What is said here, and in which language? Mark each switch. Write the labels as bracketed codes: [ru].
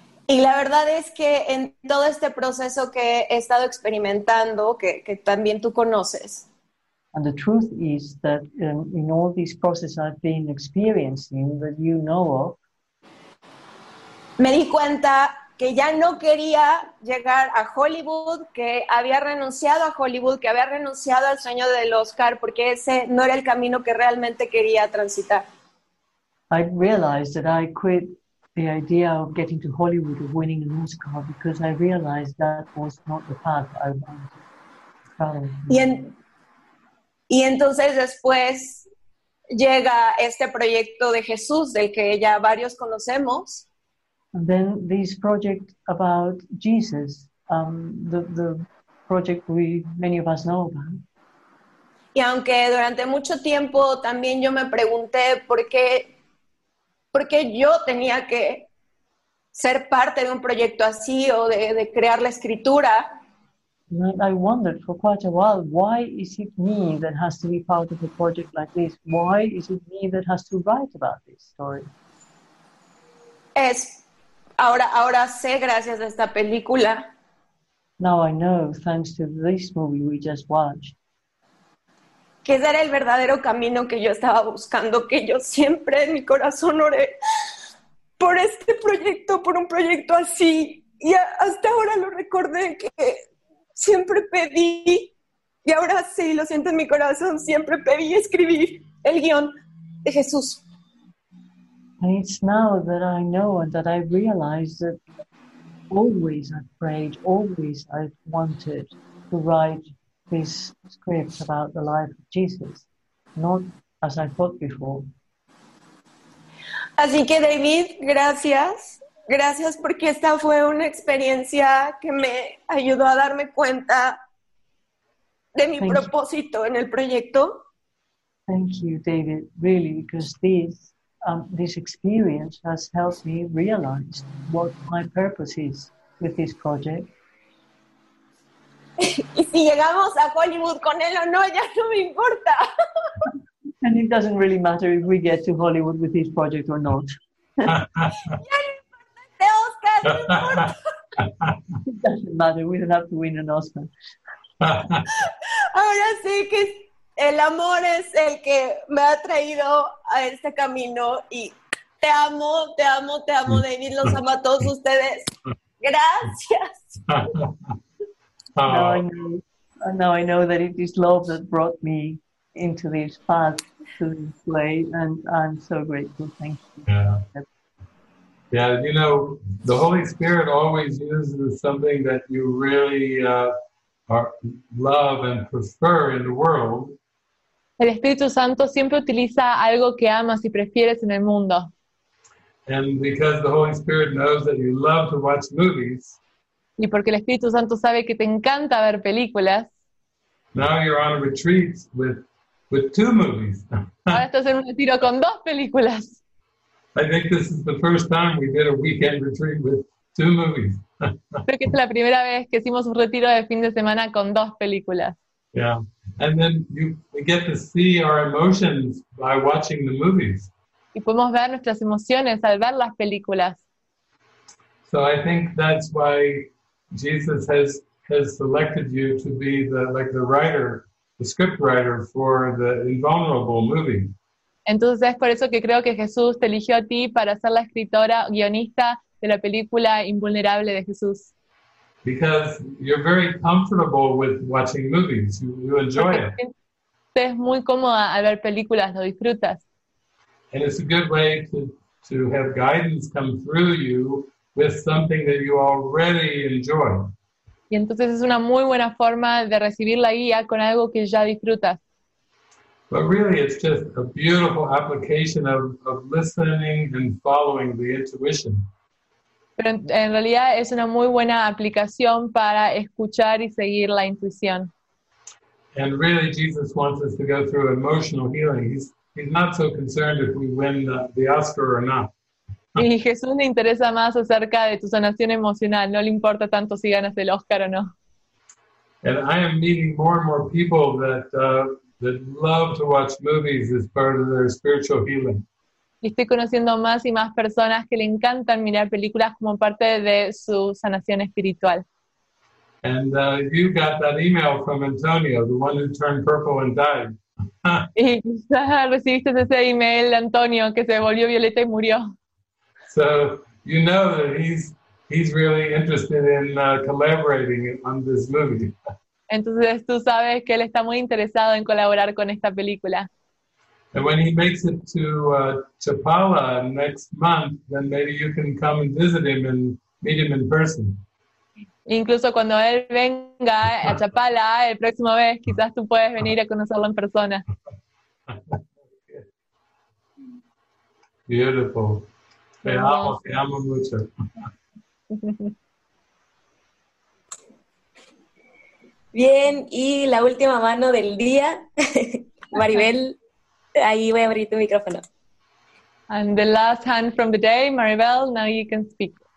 [es] Y la verdad es que en todo este proceso que he estado experimentando, que también tú conoces. [en] And the truth is that in all these processes I've been experiencing that you know of, [es] me di cuenta que ya no quería llegar a Hollywood, que había renunciado a Hollywood, que había renunciado al sueño del Oscar, porque ese no era el camino que realmente quería transitar. [en] I realized that I quit the idea of getting to Hollywood, of winning an Oscar, because I realized that was not the path I wanted to follow. [es] Y entonces después llega este proyecto de Jesús, del que ya varios conocemos. [en] And then this project about Jesus, the project we many of us know about. [es] Y aunque durante mucho tiempo también yo me pregunté por qué yo tenía que ser parte de un proyecto así o de crear la escritura. [en] I wondered for quite a while, why is it me that has to be part of a project like this? Why is it me that has to write about this story? [es] Es ahora sé gracias a esta película. [en] Now I know, thanks to this movie we just watched. [es] Que ese era el verdadero camino que yo estaba buscando, que yo siempre en mi corazón oré por este proyecto, por un proyecto así. Y hasta ahora lo recordé que siempre pedí, y ahora sí, lo siento en mi corazón, siempre pedí escribir el guión de Jesús. [en] And it's now that I know and that I realize that always I've prayed, always I've wanted to write this script about the life of Jesus, not as I thought before. [es] Así que David, gracias. Gracias porque esta fue una experiencia que me ayudó a darme cuenta de mi propósito en el proyecto. [en] Thank you, David, really, because this experience has helped me realize what my purpose is with this project. [es] Y si llegamos a Hollywood con él o no, ya no me importa. [en] And it doesn't really matter if we get to Hollywood with this project or not. It doesn't matter, we don't have to win an Oscar. [es] Ahora sé que el amor es el que me ha traído a este camino y te amo, David, los amo a todos ustedes. Gracias. [en] Now I know that it is love that brought me into this path to this play, and I'm so grateful. Thank you. Yeah, you know, the Holy Spirit always uses something that you really love and prefer in the world. [es] El Espíritu Santo siempre utiliza algo que amas y prefieres en el mundo. [en] And because the Holy Spirit knows that you love to watch movies. [es] Y porque el Espíritu Santo sabe que te encanta ver películas. [en] Now you're on a retreat with two movies. [es] Ahora estás en un retiro con dos películas. [en] I think this is the first time we did a weekend retreat with two movies. [es] Creo que es la primera vez que hicimos un retiro de fin de semana con dos películas. [en] Yeah, and then we get to see our emotions by watching the movies. [es] Y podemos ver nuestras emociones al ver las películas. [en] So I think that's why Jesus has selected you to be the script writer for the Invulnerable movie. [es] Entonces es por eso que creo que Jesús te eligió a ti para ser la escritora guionista de la película Invulnerable de Jesús. [en] Because you're very comfortable with watching movies. You enjoy it. [es] Te es muy cómoda al ver películas, lo disfrutas. [en] And it's a good way to have guidance come through you with something that you already enjoy. [es] Y entonces es una muy buena forma de recibir la guía con algo que ya disfrutas. [en] But really, it's just a beautiful application of listening and following the intuition. [es] Pero en realidad es una muy buena aplicación para escuchar y seguir la intuición. [en] And really, Jesus wants us to go through emotional healing. He's not so concerned if we win the Oscar or not. [es] Y Jesús le interesa más acerca de tu sanación emocional. No le importa tanto si ganas el Oscar o no. [en] And I am meeting more and more people that love to watch movies as part of their spiritual healing. [es] Y estoy conociendo más y más personas que le encantan mirar películas como parte de su sanación espiritual. [en] And you got that email from Antonio, the one who turned purple and died. [es] Y recibiste ese email de Antonio que se volvió violeta y murió. [en] So you know that he's really interested in collaborating on this movie. [es] Entonces tú sabes que él está muy interesado en colaborar con esta película. [en] And when he makes it to Chapala next month, then maybe you can come and visit him and meet him in person. [es] Incluso cuando él venga a Chapala el próximo mes, quizás tú puedes venir a conocerlo en persona. [en] Beautiful. [es] Te amo mucho. Bien, y la última mano del día, Maribel, ahí voy a abrir tu micrófono. [en] And the last hand from the day, Maribel, now you can speak.